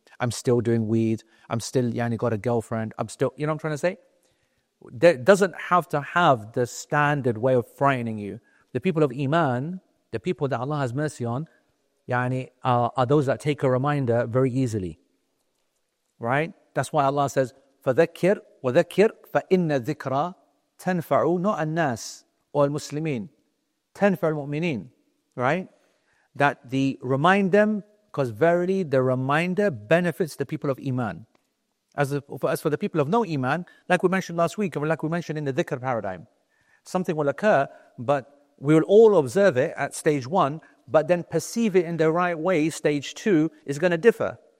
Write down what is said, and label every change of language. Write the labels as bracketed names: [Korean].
[English] I'm still doing weed. I'm still, got a girlfriend. I'm still, you know what I'm trying to say? That doesn't have to have the standard way of frightening you. The people of Iman, the people that Allah has mercy on, are those that take a reminder very easily, right? That's why Allah says, [Arabic] فَذَكِّرْ وَذَكِّرْ فَإِنَّ ذِكْرَى تَنْفَعُ not الناس or المسلمين تَنْفَعُ الْمُؤْمِنِينَ right? [English] That the remind them, because verily the reminder benefits the people of Iman. As for the people of no Iman, like we mentioned last week, or like we mentioned in the dhikr paradigm, something will occur, but we will all observe it at stage one, but then perceive it in the right way, stage two, is going to differ.